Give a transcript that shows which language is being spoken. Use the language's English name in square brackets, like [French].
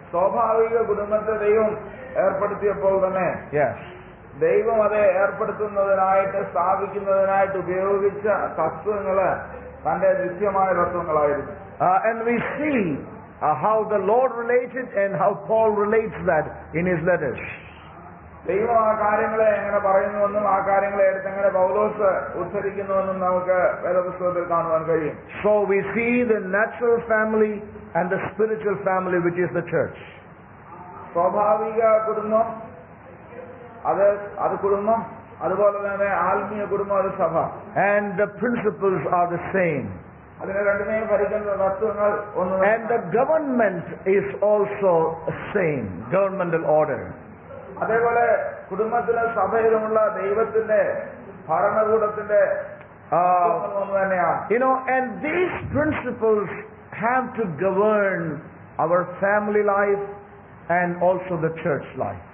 [Malayalam] സ്വാഭാവിക കുടുംബത്തെ ദൈവം ഏർപ്പെടുത്തിയപ്പോൾ തന്നെ [English] yes [Malayalam] ദൈവം അതെ ഏർപ്പെടുത്തുന്നതിനായിട്ട് സ്ഥാപിക്കുന്നതിനായിട്ട് ഉപയോഗിച്ച തത്വങ്ങൾ തന്റെ നിത്യമായ തത്വങ്ങളായിരുന്നു. [English] And we see how the Lord related and how Paul relates that in his letters. [Malayalam] ദൈവം ആ കാര്യങ്ങളെ എങ്ങനെ പറയുന്നുവെന്നും ആ കാര്യങ്ങളെ എടുത്തെങ്ങനെ പൗലോസ് ഉദ്ധരിക്കുന്നുവെന്നും നമുക്ക് വേദപുസ്തകത്തിൽ കാണുവാൻ കഴിയും. [English] So we see the natural family and the spiritual family which is the church. [Malayalam] സ്വാഭാവിക കുടുംബം അത് കുടുംബം, അതുപോലെ തന്നെ ആത്മീയ കുടുംബം അത് സഭ. [English] And the principles are the same. [Malayalam] അതിനെ രണ്ടിനെയും ഭരിക്കുന്ന തത്വങ്ങൾ ഒന്ന്. [English] And the government is also same, governmental order. [Malayalam] അതേപോലെ കുടുംബത്തിലെ സഭയിലുമുള്ള ദൈവത്തിന്റെ ഭരണകൂടത്തിന്റെ ഒന്ന് തന്നെയാണ്. [English] You know, and these principles have to govern our family life and also the church life.